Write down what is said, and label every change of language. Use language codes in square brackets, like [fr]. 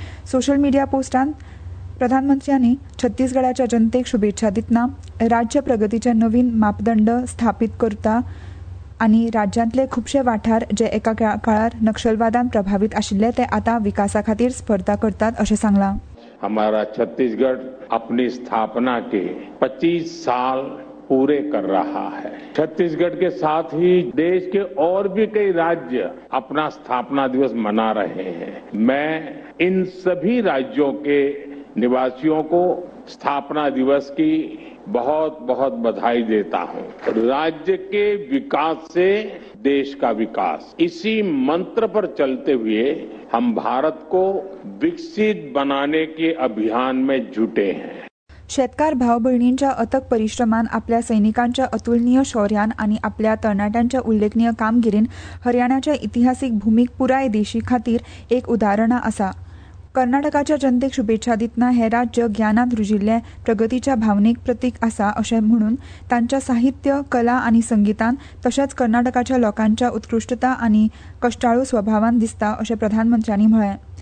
[gom] Social media पोस्टांत प्रधानमंत्र्यांनी छत्तीसगढाच्या जनतेक शुभेच्छा दितना राज्य प्रगतीचे नवीन मापदंड स्थापित करता आनी राज्यांतले खुबशे वाठार जे एका काळार नक्षलवादान प्रभावित आशिल्ले ते आता विकासा खातीर स्पर्धा करतात असे सांगला. [hi] हमारा छत्तीसगढ अपनी स्थापना के 25 साल पूरे कर रहा है. छत्तीसगढ़ के साथ ही देश के और भी कई राज्य अपना स्थापना दिवस मना रहे हैं. मैं इन सभी राज्यों के निवासियों को स्थापना दिवस की बहुत बहुत बधाई देता हूं. राज्य के विकास से देश का विकास, इसी मंत्र पर चलते हुए हम भारत को विकसित बनाने के अभियान में जुटे हैं. [gom] शेतकार भाव भयणींच्या अथक परिश्रमान आपल्या सैनिकांच्या अतुलनीय शौर्यान आणि आपल्या तरणाट्यांच्या उल्लेखनीय कामगिरीन हरियाणाच्या इतिहासिक भूमीक पुराय देशी खातीर एक उदाहरणा असा. कर्नाटकाच्या जनतेक शुभेच्छा दितना हे राज्य ज्ञानात रुजिल्ले प्रगतीच्या भावनिक प्रतीक असा असे म्हणून त्यांच्या साहित्य, कला आणि संगीतान तसेच कर्नाटकाच्या लोकांच्या उत्कृष्टता आणि कष्टाळू स्वभावान दिसता असे प्रधानमंत्र्यांनी म्हणले.